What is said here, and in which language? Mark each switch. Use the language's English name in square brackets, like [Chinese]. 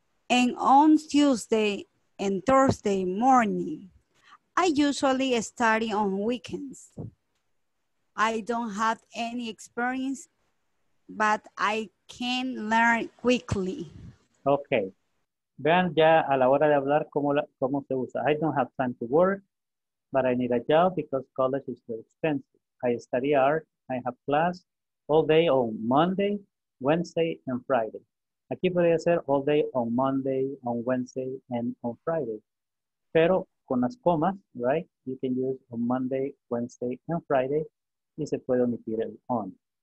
[English] And on Tuesday and Thursday morning, I usually study on weekends. I don't have any experience, but I can learn quickly. Okay. [Spanish] Vean ya a la hora de hablar cómo se usa. [English] I don't have time to work, but I need a job because college is too expensive. I study art, I have class all day on Monday, Wednesday, and Friday. [Spanish] Aquí podría ser [English] all day on Monday, on Wednesday, and on Friday. [Spanish] Pero con las comas, [English] right? You can use on Monday, Wednesday, and Friday, [Spanish] y se puede omitir el on.